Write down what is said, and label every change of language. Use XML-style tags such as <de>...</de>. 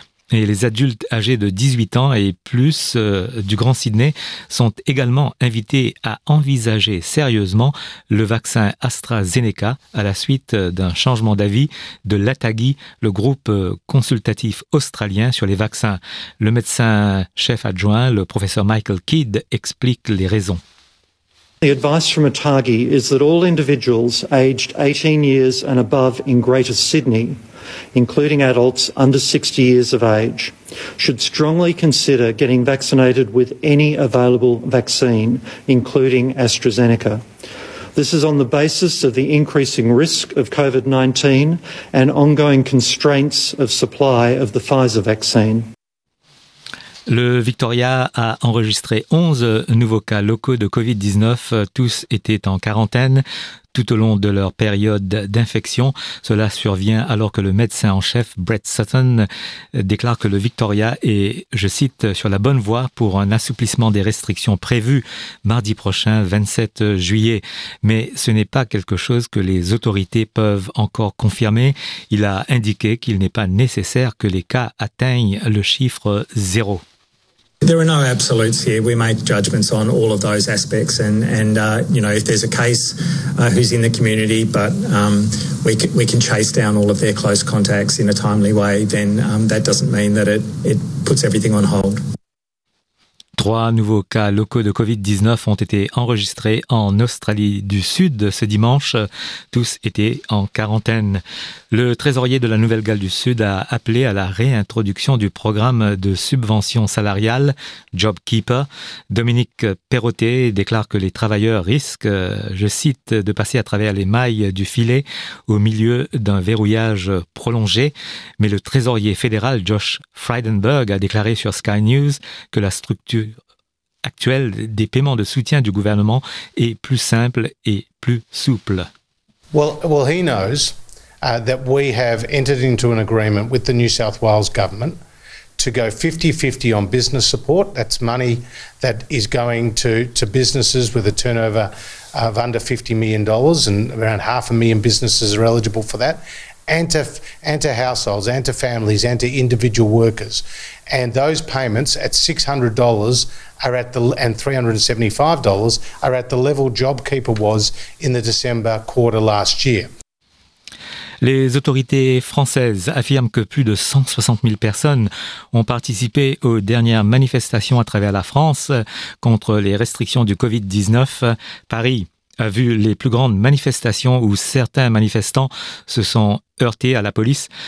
<fr>Et les adultes âgés de 18 ans et plus du Grand Sydney sont également invités à envisager sérieusement le vaccin AstraZeneca à la suite d'un changement d'avis de l'ATAGI, le groupe consultatif australien sur les vaccins. Le médecin chef adjoint, le professeur Michael Kidd, explique les raisons.</fr> <en>The advice from ATAGI is that all individuals aged 18 years and above in Greater Sydney, including adults under 60 years of age, should strongly consider getting vaccinated with any available vaccine, including AstraZeneca. This is on the basis of the increasing risk of COVID-19 and ongoing constraints of supply of the Pfizer vaccine.</en> <fr>Le Victoria a enregistré 11 nouveaux cas locaux de Covid-19. Tous étaient en quarantaine. tout au long de leur période d'infection. Cela survient alors que le médecin en chef, Brett Sutton, déclare que le Victoria est, je cite, sur la bonne voie pour un assouplissement des restrictions prévues mardi prochain, 27 juillet. Mais ce n'est pas quelque chose que les autorités peuvent encore confirmer. Il a indiqué qu'il n'est pas nécessaire que les cas atteignent le chiffre zéro.</fr> <en>There are no absolutes here. We make judgments on all of those aspects, and if there's a case who's in the community, but we can chase down all of their close contacts in a timely way, then that doesn't mean that it puts everything on hold.</en> <fr>Trois nouveaux cas locaux de COVID-19 ont été enregistrés en Australie du Sud ce dimanche. Tous étaient en quarantaine. Le trésorier de la Nouvelle-Galles du Sud a appelé à la réintroduction du programme de subvention salariale JobKeeper. Dominique Perrottet déclare que les travailleurs risquent, je cite, de passer à travers les mailles du filet au milieu d'un verrouillage prolongé. Mais le trésorier fédéral Josh Frydenberg a déclaré sur Sky News que la structure actuelle des paiements de soutien du gouvernement est plus simple et plus souple.</fr> <en>Well, he knows that we have entered into an agreement with the New South Wales government to go 50-50 on business support. That's money that is going to businesses with a turnover of under $50 million, and around 500,000 businesses are eligible for that, and to households, and to families, and to individual workers. And those payments at $600 and $375 are at the level JobKeeper was in the December quarter last year.</en> <fr>Les autorités françaises affirment que plus de 160 000 personnes ont participé aux dernières manifestations à travers la France contre les restrictions du Covid-19. Paris a vu les plus grandes manifestations où certains manifestants se sont heurtés à la police.</fr>